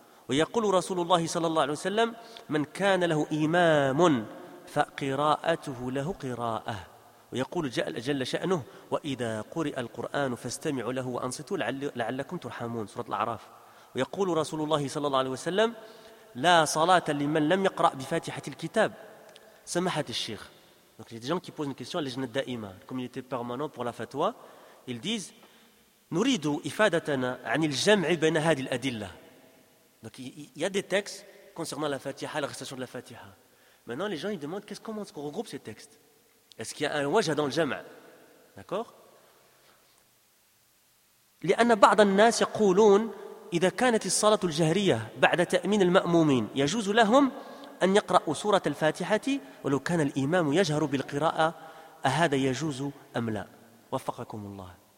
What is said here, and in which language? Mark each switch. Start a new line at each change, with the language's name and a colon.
Arabic: ويقول رسول الله صلى الله عليه وسلم: من كان له إمام فقراءته له قراءة. ويقول جل شأنه: وإذا قرئ القرآن فاستمعوا له وأنصتوا لعلكم ترحمون، سورة الأعراف. ويقول رسول الله صلى الله عليه وسلم: لا صلاة لمن لم يقرأ بفاتحة الكتاب. سماحة الشيخ،
French: donc il y a des gens qui posent une question à l'Ijna al-Da'ima, communauté permanente pour la fatwa. Ils disent:
Arabic: نريد إفادتنا عن الجمع بين هذه الأدلة.
French: Donc il y a des textes concernant la fatiha, la récitation de la fatiha. Maintenant les gens ils demandent: comment est-ce qu'on regroupe ces textes? Est-ce qu'il y a un wajah dans le jama'? D'accord?
Arabic: لأن بعض الناس يقولون إذا كانت الصلاة الجهرية بعد تأمين المأمومين يجوز لهم أن يقرأوا سورة الفاتحة ولو كان الإمام يجهر بالقراءة، أهذا يجوز أم لا؟ وفقكم الله.